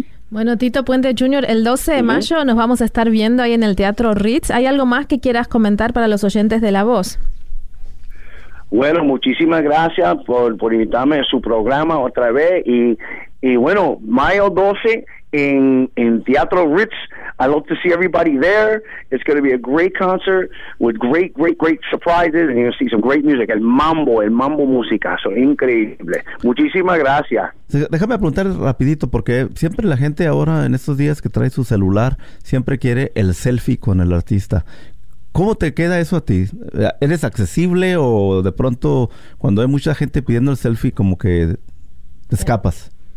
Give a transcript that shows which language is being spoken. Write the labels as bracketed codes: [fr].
[es] Bueno, Tito Puente Jr., el 12 de mayo nos vamos a estar viendo ahí en el Teatro Ritz. ¿Hay algo más que quieras comentar para los oyentes de La Voz? Bueno, muchísimas gracias por invitarme a su programa otra vez. Y bueno, mayo 12 en Teatro Ritz. [en] I love to see everybody there. It's going to be a great concert with great, great, great surprises. And you're going to see some great music. [es] El mambo música. So, increíble. Muchísimas gracias. Sí, déjame preguntar rapidito, porque siempre la gente ahora, en estos días que trae su celular, siempre quiere el selfie con el artista. ¿Cómo te queda eso a ti? ¿Eres accesible o de pronto, cuando hay mucha gente pidiendo el selfie, como que te escapas?